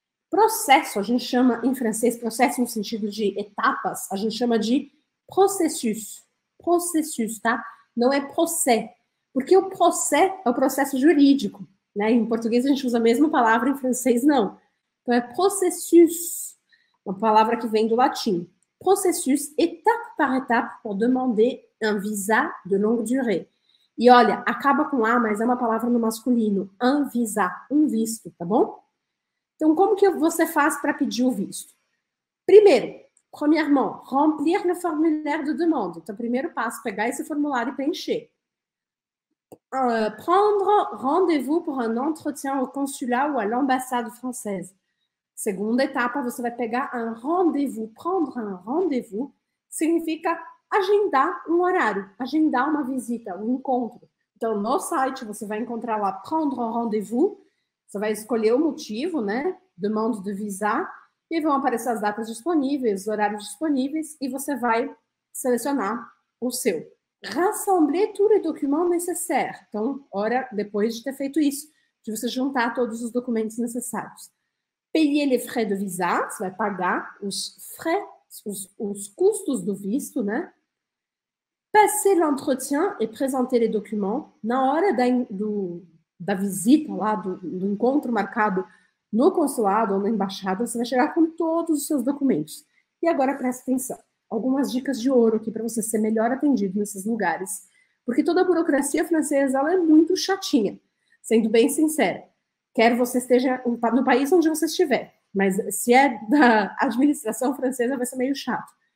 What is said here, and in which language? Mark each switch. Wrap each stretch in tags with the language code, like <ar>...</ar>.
<pt>Processo, a gente chama em francês, processo no sentido de etapas, a gente chama de processus. Processus, tá? Não é process. Porque o process é o processo jurídico, né? Em português a gente usa a mesma palavra, em francês não. Então é processus. Uma palavra que vem do latim.</pt> <fr>Processus, étape par étape, pour demander un visa de longue durée.</fr> <pt>E olha, acaba com A, mas é uma palavra no masculino.</pt> <fr>Un visa,</fr> <pt>um visto, tá bom? Então, como que você faz para pedir o visto? Primeiro,</pt> <fr>premièrement, remplir le formulaire de demande.</fr> <pt>Então, primeiro passo, pegar esse formulário e preencher.</pt> <fr>Prendre rendez-vous pour un entretien au consulat ou à l'ambassade française.</fr> <pt>Segunda etapa, você vai pegar um rendez-vous.</pt> <fr>Prendre un rendez-vous</fr> <pt>significa agendar um horário, agendar uma visita, um encontro. Então, no site, você vai encontrar lá</pt> <fr>prendre un rendez-vous,</fr> <pt>você vai escolher o motivo, né?</pt> <fr>Demande de visa,</fr> <pt>e vão aparecer as datas disponíveis, os horários disponíveis, e você vai selecionar o seu.</pt> <fr>Rassembler tous les documents nécessaires.</fr> <pt>Então, hora depois de ter feito isso, de você juntar todos os documentos necessários.</pt> <fr>Payer les frais de visa,</fr> <pt>você vai pagar os frais, os custos do visto, né?</pt> <fr>Passer l'entretien et présenter les documents.</fr> <pt>Na hora da visita lá, do encontro marcado no consulado ou na embaixada, você vai chegar com todos os seus documentos. E agora presta atenção. Algumas dicas de ouro aqui para você ser melhor atendido nesses lugares. Porque toda a burocracia francesa, ela é muito chatinha. Sendo bem sincera, quer você esteja no país onde você estiver, mas se é da administração francesa, vai ser meio chato.</pt>